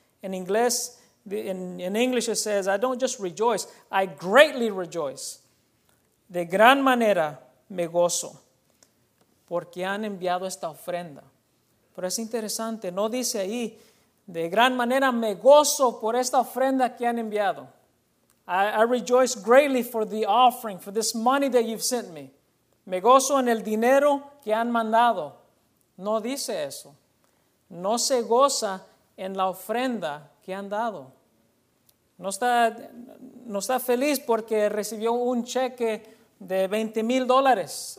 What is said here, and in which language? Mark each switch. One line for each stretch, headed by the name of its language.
Spanish: En inglés,
English: in English it says, I don't just rejoice, I greatly rejoice.
Spanish: De gran manera me gozo. Porque han enviado esta ofrenda. Pero es interesante, no dice ahí, de gran manera me gozo por esta ofrenda que han enviado.
English: I rejoice greatly for the offering, for this money that you've sent me.
Spanish: Me gozo en el dinero que han mandado. No dice eso. No se goza en la ofrenda que han dado. No está feliz porque recibió un cheque de $20,000.